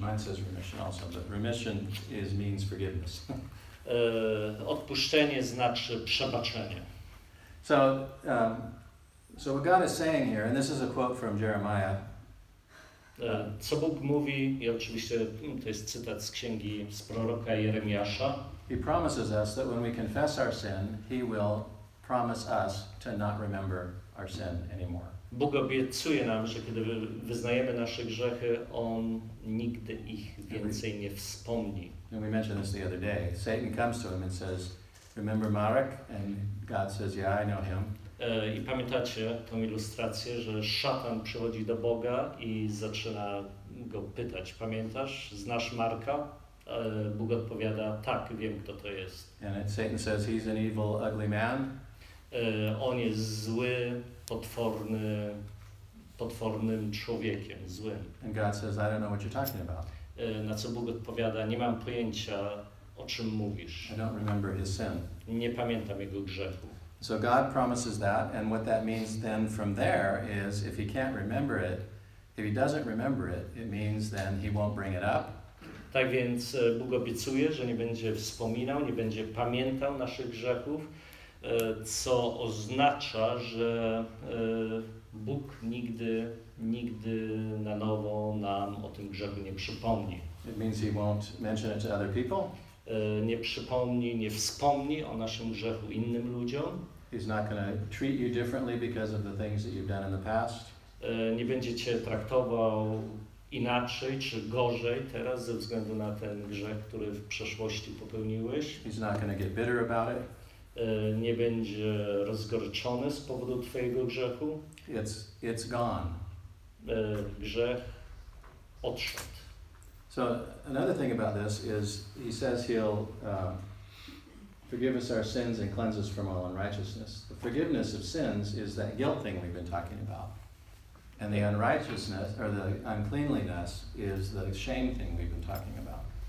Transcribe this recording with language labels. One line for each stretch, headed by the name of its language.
English: Mine says remission also, but remission is means forgiveness.
Polish: Odpuszczenie znaczy przebaczenie.
English: So, so what God is saying here, and this is a quote from Jeremiah.
Polish: Co Bóg mówi, i oczywiście to jest cytat z księgi z proroka Jeremiasza.
English: He promises us that when we confess our sin, He will promise us to not remember our sin anymore.
Polish: Bóg obiecuje nam, że kiedy wyznajemy nasze grzechy, On nigdy ich więcej nie wspomni.
English: And we mentioned this the other day. Satan comes to him and says, "Remember Marek?" And God says, "Yeah, I know him."
Polish: I pamiętacie tą ilustrację, że szatan przychodzi do Boga i zaczyna go pytać, pamiętasz, znasz Marka? Bóg odpowiada, tak, wiem, kto to jest.
English: And Satan says, he's an evil, ugly man.
Polish: On jest zły, potworny, potwornym człowiekiem, złym.
English: And God says, I don't know what you're talking about.
Polish: Na co Bóg odpowiada, nie mam pojęcia, o czym mówisz.
English: I don't remember his sin.
Polish: Nie pamiętam jego grzechu.
English: So God promises that, and what that means then from there is, if he can't remember it, if he doesn't remember it, it means then he won't bring it up.
Polish: Tak więc Bóg obiecuje, że nie będzie wspominał, nie będzie pamiętał naszych grzechów, co oznacza, że Bóg nigdy na nowo nam o tym grzechu nie przypomni.
English: It means he won't mention it to other people.
Polish: Nie przypomni, nie wspomni o naszym grzechu innym ludziom.
English: He's not going to treat you differently because of the things that you've done in the past.
Polish: Nie będzie cię traktował inaczej czy gorzej teraz ze względu na ten grzech, który w przeszłości popełniłeś.
English: He's not going to get bitter about it.
Polish: Nie będzie rozgoryczony z powodu twojego grzechu.
English: It's gone.
Polish: Grzech odszedł.
English: So another thing about this is he says he'll forgive us our sins and cleanse us from all unrighteousness. The forgiveness of sins is that guilt thing we've been talking about. And the unrighteousness or the uncleanliness is the shame thing we've been talking about.